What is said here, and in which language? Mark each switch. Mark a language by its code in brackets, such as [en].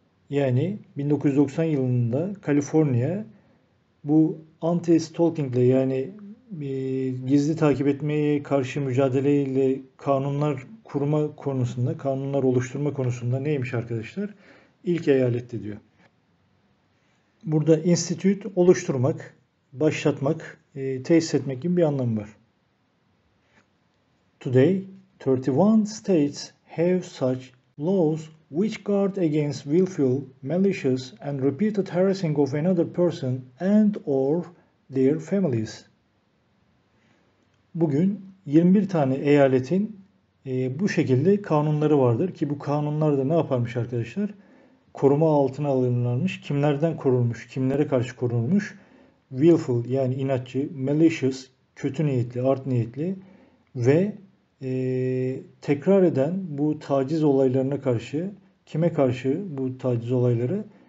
[tr] Yani 1990 yılında Kaliforniya bu anti-stalking ile yani gizli takip etmeye karşı mücadele ile kanunlar kurma konusunda, kanunlar oluşturma konusunda neymiş arkadaşlar? İlk eyalette diyor. Burada institute oluşturmak, başlatmak, tesis etmek gibi bir anlam var. [en] Today, 31 states have such laws which guard against willful, malicious and repeated harassing of another person and or their families. [tr] Bugün 21 tane eyaletin bu şekilde kanunları vardır ki bu kanunlar da ne yaparmış arkadaşlar? Koruma altına alınırlarmış. Kimlerden korunmuş? Kimlere karşı korunmuş? Willful yani inatçı, malicious, kötü niyetli, art niyetli ve tekrar eden bu taciz olaylarına karşı, kime karşı bu taciz olayları?